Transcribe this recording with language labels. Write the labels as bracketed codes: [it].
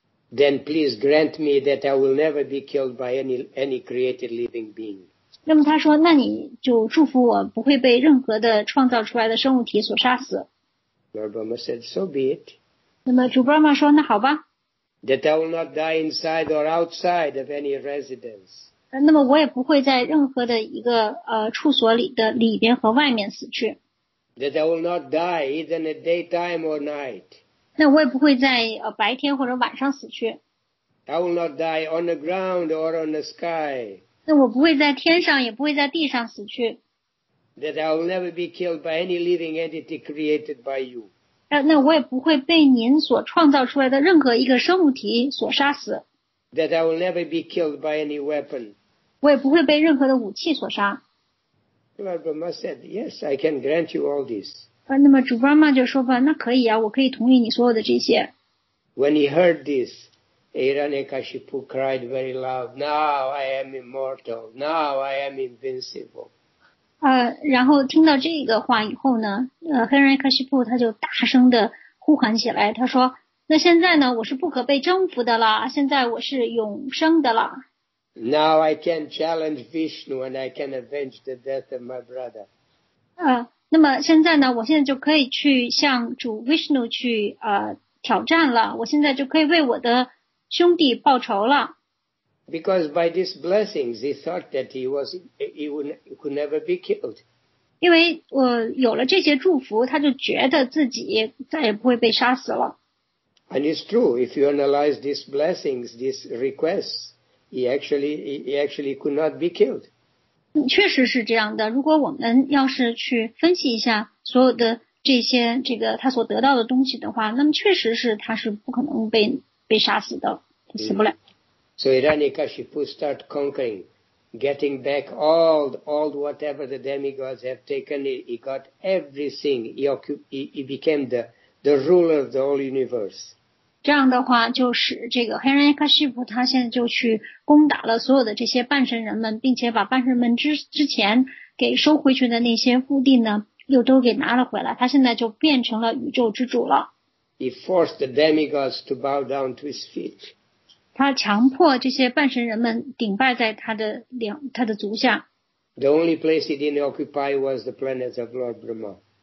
[en] Then please grant me that I will never be killed by any created living being. [zh] 那么他说，那你就祝福我不会被任何的创造出来的生物体所杀死。 [en] Lord Brahma said, "So be it." [zh] 那么主 Brahma 说，那好吧。 [en] That I will not die inside or outside of any residence. [zh] 那么我也不会在任何的一个处所里的里边和外面死去。 [en] That I will not die either in the daytime or night. [zh] 那我也不会在白天或者晚上死去。 [en] I will not die on the ground or on the sky. [zh] 那我不会在天上，也不会在地上死去。 [en] That I will never be killed by any living entity created by you. [zh] 那我也不会被您所创造出来的任何一个生物体所杀死。 [en] That I will never be killed by any weapon. [zh] 我也不会被任何的武器所杀。 [en] Lord Brahma said, "Yes, I can grant you all this." [zh] 那么主 Brahma 就说吧，那可以啊，我可以同意你所有的这些。 [en] When he heard this. Hiranyakashipu cried very loud, "Now I am immortal. Now I am invincible." [zh] 然后听到这个话以后呢，Hiranyakashipu 他就大声的呼喊起来。他说，那现在呢，我是不可被征服的了。现在我是永生的了。 [en] Now I can challenge Vishnu and I can avenge the death of my brother. [zh] 那么现在呢，我现在就可以去向主 Vishnu 去挑战了。我现在就可以为我的兄弟报仇了。 [en] Because by these blessings, he thought that he could never be killed. [zh] 因为我有了这些祝福，他就觉得自己再也不会被杀死了。 [en] And it's true. If you analyze these blessings, these requests, he actually could not be killed. [zh] 确实是这样的。如果我们要是去分析一下所有的这些这个他所得到的东西的话，那么确实是他是不可能被杀死的，死不了。 [en] So Hiranyakashipu start conquering, getting back all whatever the demigods have taken. He got everything. He became the ruler of the whole universe. [zh] 这样的话，就是这个 Hiranyakashipu 他现在就去攻打了所有的这些半神人们，并且把半神们之前给收回去的那些腹地呢，又都给拿了回来。他现在就变成了宇宙之主了。 [en] He forced the demigods to bow down to his feet. [zh] 他强迫这些半神人们顶拜在他的足下。 [en] The only place he didn't occupy was the planet of Lord Brahma.